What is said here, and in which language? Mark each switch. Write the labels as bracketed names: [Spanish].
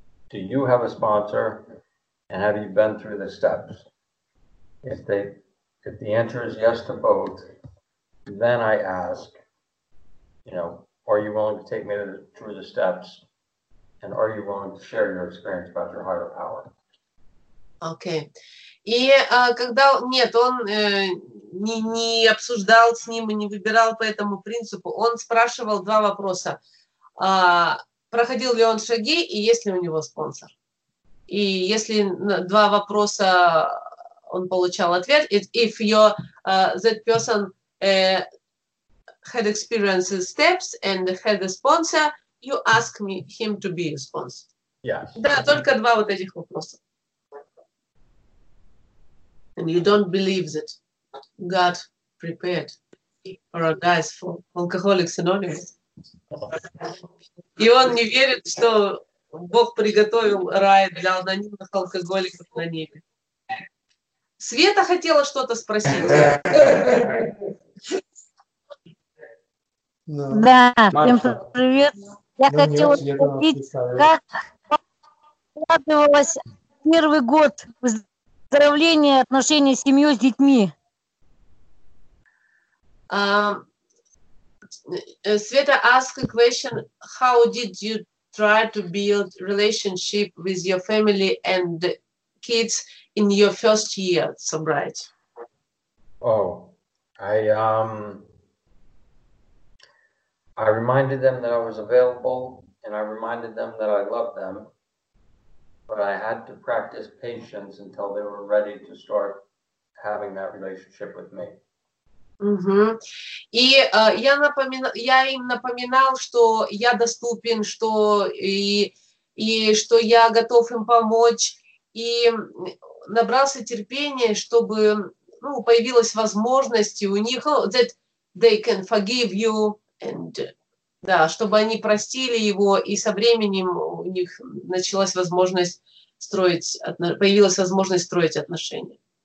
[English] Do you have a sponsor, and have you been through the steps? If the answer is yes to both, then I ask, are you willing to take me through the steps? And are you willing to share your experience about your higher power? Okay. [Russian] И когда нет, он не обсуждал с ним и не выбирал по этому принципу, он спрашивал два вопроса. Проходил ли он шаги и есть ли у него спонсор? И если два вопроса он получал ответ, [English] if that person had experienced the steps and had a sponsor, you ask me him to be a sponsor. Yeah. [Russian] Да, только два вот этих вопроса. [English] And you don't believe that God prepared paradise for Alcoholics Anonymous. [Russian] И он не верит, что Бог приготовил рай для анонимных алкоголиков на небе. Света хотела что-то спросить. Да, всем привет. Я хотела спросить, как складывалось первый год выздоровления отношений с семьей, с детьми? [English] Света ask a question, how did you try to build relationship with your family and kids in your first year sobriety? Oh, I reminded them that I was available, and I reminded them that I loved them, but I had to practice patience until they were ready to start having that relationship with me. Mm-hmm. [Russian] И я им напоминал, что я доступен, что я готов им помочь, и набрался терпения, чтобы появилась возможность у них, [English] that they can forgive you, and [Russian] да, чтобы они простили его, и со временем у них появилась возможность строить отношения.